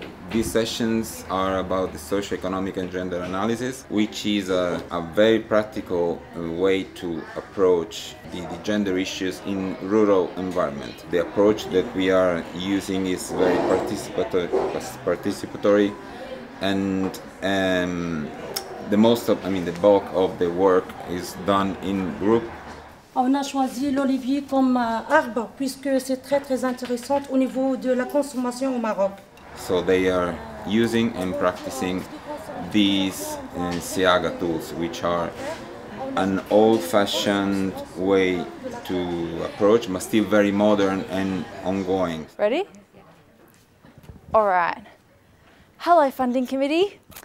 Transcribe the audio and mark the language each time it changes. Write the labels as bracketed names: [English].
[English] These sessions are about the socioeconomic and gender analysis, which is a very practical way to approach the gender issues in rural environment. The approach that we are using is very participatory, and the bulk of the work is done in group. [French] On a choisi l'olivier comme arbre puisque c'est très très intéressant au niveau de la consommation au Maroc. [English] So they are using and practicing these Siaga tools, which are an old-fashioned way to approach, but still very modern and ongoing. Ready? All right. Hello, Funding Committee.